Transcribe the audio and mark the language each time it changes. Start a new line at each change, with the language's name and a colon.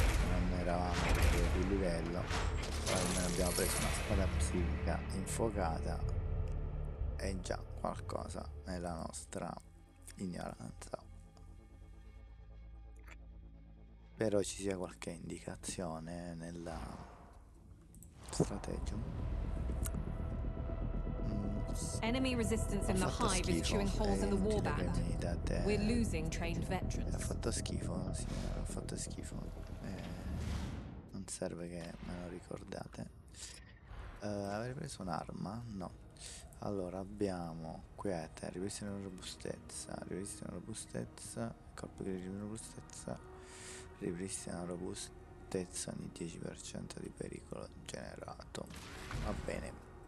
Italian: Non eravamo di livello, almeno abbiamo preso una spada psichica infuocata, è già qualcosa nella nostra ignoranza. Spero ci sia qualche indicazione nella strategia.
English: Enemy resistance in the hive is chewing holes in the war band. We're losing trained veterans.
Italian: Ha fatto schifo, sì, ha fatto schifo. Non serve che me lo ricordate. Avrei preso un'arma? No. Allora abbiamo quiete, ripristino di robustezza, ripristino di robustezza, colpo di ripristino di robustezza, ripristino di robustezza ogni 10% di pericolo generato. Va bene.